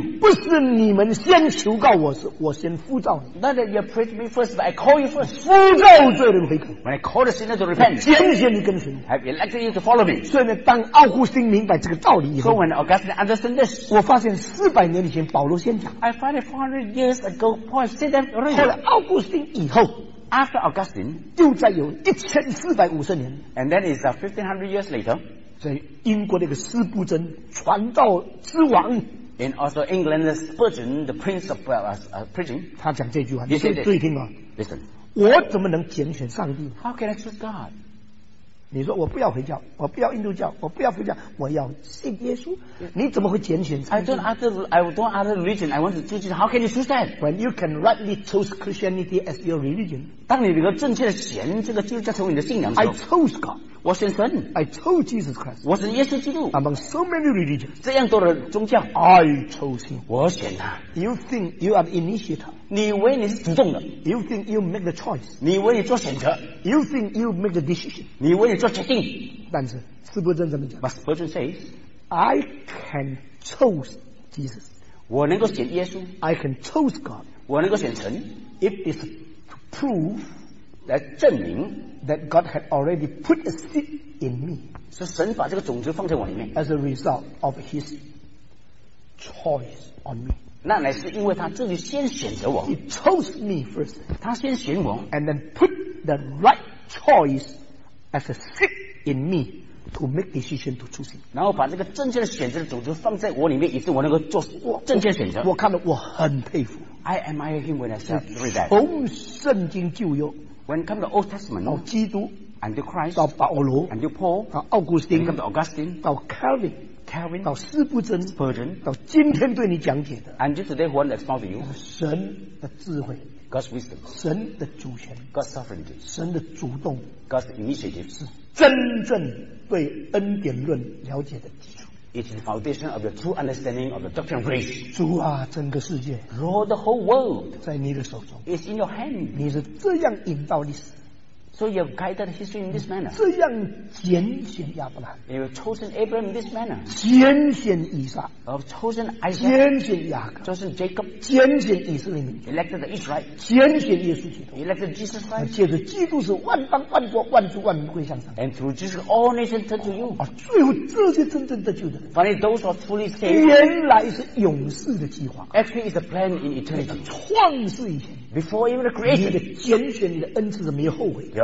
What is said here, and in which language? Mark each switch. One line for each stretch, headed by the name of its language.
Chinese: 不是你们先求告我，是我先呼召你。
English: Not that you prayed me first, but I call you first.
Chinese: 呼召罪人悔改。
English: When I call the sinner to repent,
Chinese: 拣选你跟随。
English: I've elected you to follow me.
Chinese: 所以呢，当奥古斯丁明白这个道理以后
English: ，So when Augustine understood this,
Chinese: 我发现四百年以前保罗先讲。
English: I find it 400 years ago, Paul said that already.
Chinese: 后来奥古斯丁以后。
English: After Augustine,
Chinese: 就在有1450年
English: ，and then is 1500 years later，
Chinese: 在英国的一个司布真传道之王
English: ，and also England's Spurgeon, the Prince of preaching，
Chinese: 他讲这句话，你先注意听啊
English: ，listen，
Chinese: 我怎么能拣选上帝
English: ？How can I choose God？
Chinese: 你说我不要回教，我不要印度教，我不要佛教，我要信耶稣。你怎么会拣选上帝
English: ？I don't other religion. I want to choose. How can you choose that? When you can rightly choose Christianity as your religion，
Chinese: 当你能够正确的选这个基督教成为你的信仰的时候
English: ，I chose God，
Chinese: 我选神
English: ，I chose Jesus Christ，
Chinese: 我选耶稣基督。
English: Among so many religions，
Chinese: 这样多的宗教
English: ，I chose him，
Chinese: 我选他。
English: You think you are the initiator？
Chinese: 你以为你是主动的
English: ？You think you make the choice？
Chinese: 你以为你做选择
English: ？You think you make the decision？
Chinese: 你以为你做决定？但是斯伯顿怎么讲
English: ？But Spurgeon says， I can choose Jesus，
Chinese: 我能够选耶稣。
English: I can choose God，
Chinese: 我能够选神。
English: It is to prove，
Chinese: 来证明
English: that God had already put a seed in me，
Chinese: 是神把这个种子放在我里面。
English: As a result of His choice on me。
Chinese: 那乃是因为他自己先选择我
English: ，He chose me first，
Chinese: 他先选我
English: ，and then put the right choice as a seed in me to make decision to choose him，
Chinese: 然后把这个正确的选择的种子放在我里面，以致我能够做正确选择。我看了，我很佩服
English: ，I admire him when I read that。
Chinese: 从圣经旧约
English: ，when come to Old Testament，
Chinese: 到基督
English: ，until Christ，
Chinese: 到保罗
English: ，until Paul，
Chinese: 到奥古斯丁
English: ，come to Augustine，
Chinese: 到 Calvin。
English: Calvin,
Chinese: 到斯布真
English: Spurgeon,
Chinese: 到今天对你讲解的
English: and just today who wants to explain to you
Chinese: 神的智慧
English: God's wisdom
Chinese: 神的主权
English: God's sovereignty
Chinese: 神的主动
English: God's initiative
Chinese: 是真正对恩典论了解的基础
English: It is the foundation of your true understanding of the doctrine of grace
Chinese: 主啊整个世界
English: Lord, the whole world
Chinese: 在你的手中
English: It's in your hand
Chinese: 你是这样引导历史
English: So you have guided history in this manner.
Chinese: 这样拣选亚伯兰。
English: You have chosen Abraham in this manner.
Chinese: 拣选以撒。
English: Of chosen Isaac.
Chinese: 拣选雅各。
English: Chosen Jacob.
Chinese: 拣选以色列民族。
English: Elected Israel.
Chinese: 拣选耶稣基督。
English: Elected Jesus Christ.
Chinese: 借着基督是万邦万国万族万民归向神。
English: And through Jesus, all nations turn to you.
Chinese: 最后这些真正得救的。
English: Finally, those who are truly saved.
Chinese: 原来是永世的计划。
English: Actually, it's a plan in eternity.
Chinese: 创世以前。
English: Before even the creation.
Chinese: 你的拣选你的恩赐是没有后悔的。